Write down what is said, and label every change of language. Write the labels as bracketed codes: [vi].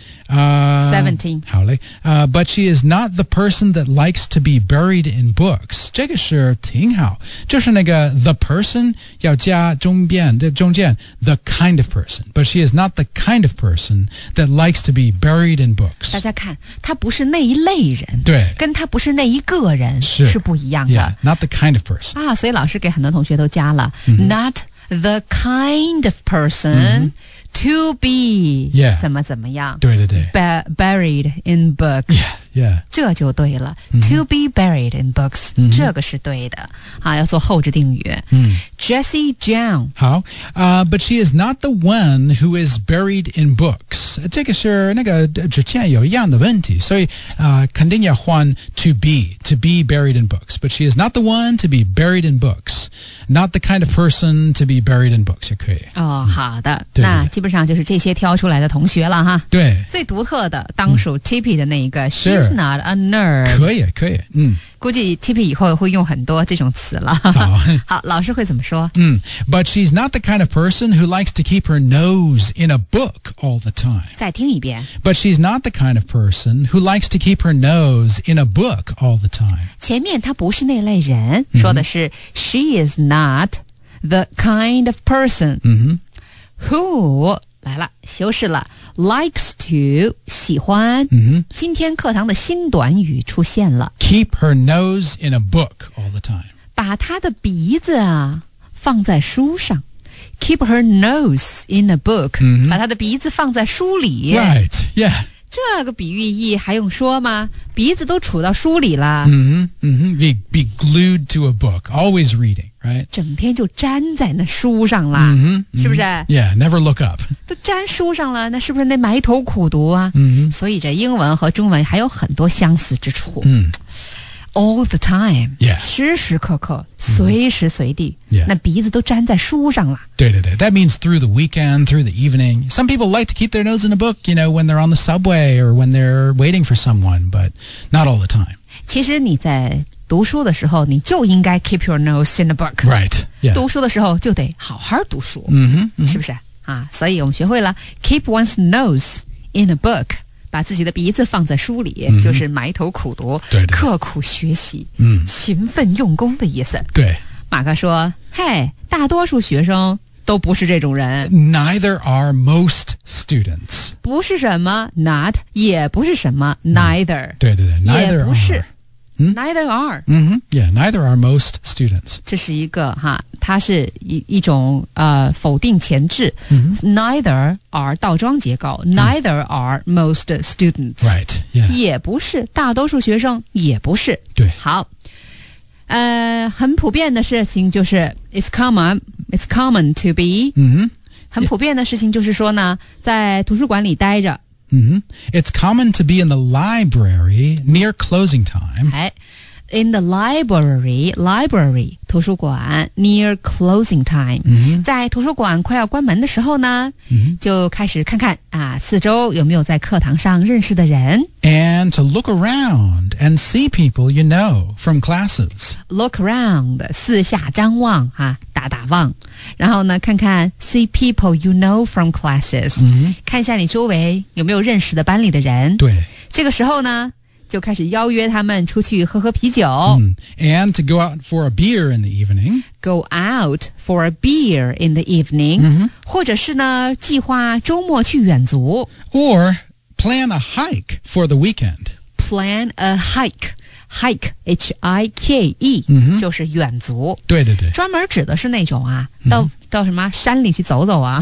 [zh] 17. 好嘞。 [en] But she is not the person that likes to be buried in books. [zh] 这个是挺好。就是那个 the person 要加中间 [en] the kind of person. But she is not the kind of person that likes to be buried in books. [zh] 大家看她不是那一类人。对。跟她不是那一个人是不一样的。 [en] Yeah, not the kind of person. [zh] 啊所以老师给很多同学都加了。 [en] Mm-hmm. Not the kind of person.、Mm-hmm. To be、 yeah. [zh] 怎么怎么样对对对 [en] Buried in books、 yeah. [zh] 这就对了、 [en] To be buried in books、 [zh] 这个是对的、要做后置定语、Jessie Jiang 好、 [en] But she is not the one who is buried in books [zh] 这个是那个之前有一样的问题所以、肯定要换 [en] to be buried in books But she is not the one to be buried in books Not the kind of person to be buried in books [zh] 也可以、好的对那基本上就是这些挑出来的同学了哈。对，最独特的当属 Tippy 的那一个、 [en] She's not a nerd [zh] 可以可以估计 Tippy 以后会用很多这种词了 好老师会怎么说 [en] But she's not the kind of person who likes to keep her nose in a book all the time [zh] 再听一遍 [en] But she's not the kind of person who likes to keep her nose in a book all the time [zh] 前面她不是那类人、说的是 [en] She is not the kind of person [zh] Who, 来了，修饰了 , [en] likes to, [zh] 喜欢、今天课堂的新短语出现了。 [en] Keep her nose in a book all the time. [zh] 把她的鼻子啊放在书上。 [en] Keep her nose in a book,、 [zh] 把她的鼻子放在书里。 [en] Right, yeah. [zh] 这个比喻意还用说吗鼻子都杵到书里了。 [en] Be glued to a book, always reading. Right? [zh] 整天就粘在那书上了、是不是 [en] Yeah, never look up [zh] 都粘书上了那是不是得埋头苦读啊、所以这英文和中文还有很多相似之处、 [en] All the time、 yeah. [zh] 时时刻刻随时随地、 [en] yeah. [zh] 那鼻子都粘在书上了对对对 [en] That means through the weekend, through the evening Some people like to keep their nose in a book You know, when they're on the subway Or when they're waiting for someone But not all the time [zh] 其实你在读书的时候你就应该 [en] keep your nose in the book Right、yeah. [zh] 读书的时候就得好好读书、是不是啊？所以我们学会了 [en] keep one's nose in a book [zh] 把自己的鼻子放在书里、就是埋头苦读对对刻苦学习、勤奋用功的意思对马克说嘿大多数学生都不是这种人 [en] Neither are most students [zh] 不是什么 not 也不是什么 neither 对对对 neither 也不是 [en] are Neither are. Yeah, neither are most students. [zh] 这是一个哈，它是一种否定前置。 [en] Neither are [zh] 倒装结构。 [en] Neither are most students. Right. Yeah. [zh] 也不是大多数学生，也不是。对。好，很普遍的事情就是 [en] it's common. It's common to be. [zh] 很普遍的事情就是说呢，在图书馆里待着。 [en] It's common to be in the library near closing time. In the library, 图书馆 near closing time. [zh] 在图书馆快要关门的时候呢、就开始看看啊，四周有没有在课堂上认识的人。 [en] And to look around and see people you know from classes. Look around, [zh] 四下张望啊，打打望。然后呢看看 [en] see people you know from classes、 [zh] 看一下你周围有没有认识的班里的人对这个时候呢就开始邀约他们出去喝喝啤酒。 [en] And to go out for a beer in the evening. Go out for a beer in the evening. [zh] 或者是呢，计划周末去远足。 [en] Or plan a hike for the weekend. Plan a hike. Hike, H-I-K-E,、 [zh] 就是远足。对对对。专门指的是那种啊、到什么山里去走走啊。